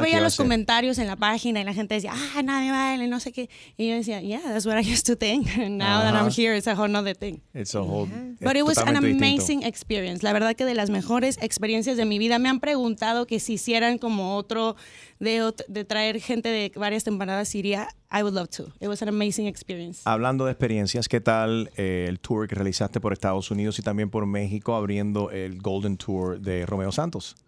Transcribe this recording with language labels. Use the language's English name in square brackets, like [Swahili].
[Spanish] Yo veía los comentarios en la página y la gente decía, ah, nadie baila, no sé qué. Y yo decía, [English] yeah, that's what I used to think. Now that I'm here, it's a whole other thing. It's a whole. But it was an amazing experience. [Spanish] La verdad que de las mejores experiencias de mi vida. Me han preguntado que si hicieran como otro de traer gente de varias temporadas, iría. [English] I would love to. It was an amazing experience. [Spanish] Hablando de experiencias, ¿qué tal el tour que realizaste por Estados Unidos y también por México abriendo el Golden Tour de Romeo Santos?